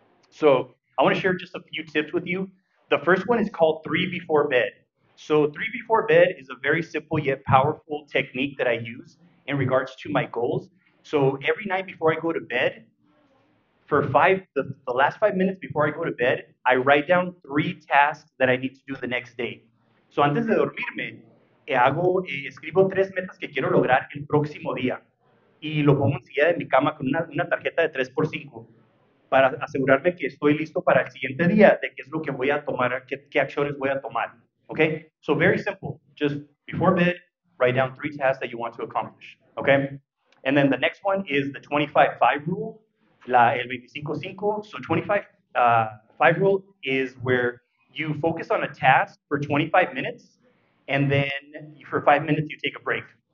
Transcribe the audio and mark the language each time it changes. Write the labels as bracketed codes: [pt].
[en] So I want to share just a few tips with you. The first one is called Three Before Bed. So three before bed is a very simple yet powerful technique that I use in regards to my goals. So every night before I go to bed, for the last 5 minutes before I go to bed, I write down three tasks that I need to do the next day. [es] So antes de dormirme, escribo tres metas que quiero lograr el próximo día. Y lo pongo encima de mi cama con una tarjeta de 3x5 para asegurarme que estoy listo para el siguiente día, de qué es lo que voy a tomar, qué acciones voy a tomar. [en] Okay, so very simple. Just before bed, write down three tasks that you want to accomplish. Okay, and then the next one is the 25-5 rule. El 25-5. So 25-5 rule is where you focus on a task for 25 minutes, and then for 5 minutes you take a break.